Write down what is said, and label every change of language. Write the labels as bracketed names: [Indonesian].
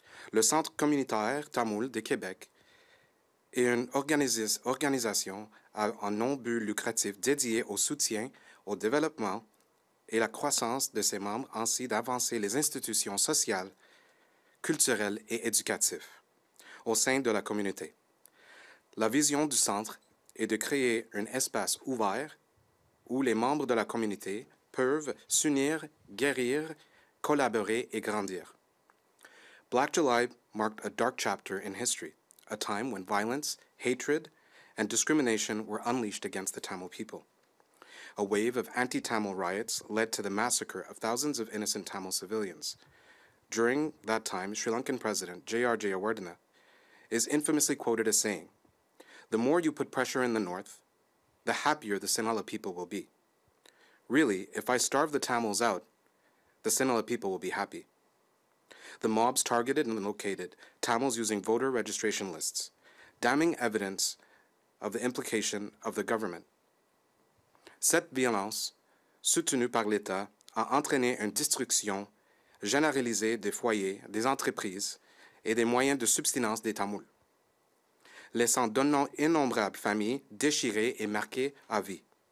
[French] Le Centre communautaire Tamoul de Québec est une organisation à un non but lucratif dédié au soutien, au développement et la croissance de ses membres, ainsi d'avancer les institutions sociales, culturelles et éducatives au sein de la communauté. La vision du centre est de créer un espace ouvert où les membres de la communauté peuvent s'unir, guérir, collaborer et grandir. [English] Black July marked a dark chapter in history, a time when violence, hatred, and discrimination were unleashed against the Tamil people. A wave of anti-Tamil riots led to the massacre of thousands of innocent Tamil civilians. During that time, Sri Lankan President J.R. Jayawardena is infamously quoted as saying, "The more you put pressure in the north, the happier the Sinhala people will be. Really, if I starve the Tamils out, the Sinhala people will be happy." The mobs targeted and located Tamils using voter registration lists, damning evidence of the implication of the government. [French] Cette violence, soutenue par l'État, a entraîné une destruction généralisée des foyers, des entreprises et des moyens de subsistance des Tamouls, laissant d'innombrables familles déchirées et marquées à vie.